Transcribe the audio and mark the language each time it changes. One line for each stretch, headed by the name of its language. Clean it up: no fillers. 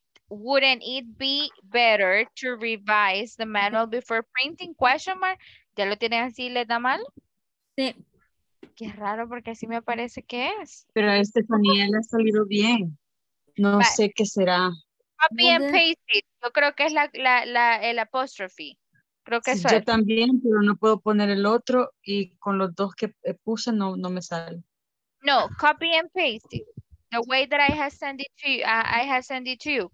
English: Wouldn't it be better to revise the manual before printing? Question mark.
Spanish: ¿Ya lo tienen así, le da mal? Sí. Qué raro, porque así me parece que es. Pero a Estefanía le ha salido bien. No but, sé qué será.
English: Copy and paste it.
Spanish: Yo creo que es el apóstrofe. Creo que sí, yo también, pero no puedo poner el otro y con los dos que puse no, no me sale.
English: No, copy and paste it. The way that I have sent it to you, I have sent it to you.